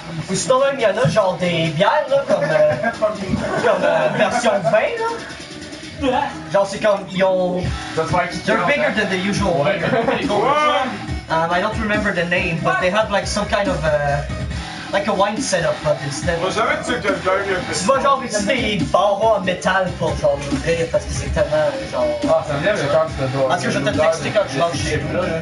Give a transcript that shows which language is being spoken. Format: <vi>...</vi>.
<fr>Ou sinon même, il y en a genre des bières, là, comme, version vin, là. Genre, c'est comme, ils ont...</fr> <en>They're bigger than the usual. I don't remember the name, but they have, like, some kind of, like a wine setup, but instead...</en> <fr>Tu vas genre utiliser des barreaux en métal pour, genre, l'ouvrir, parce que c'est tellement, genre... Parce que je vais te texter quand je mange chez là.</fr>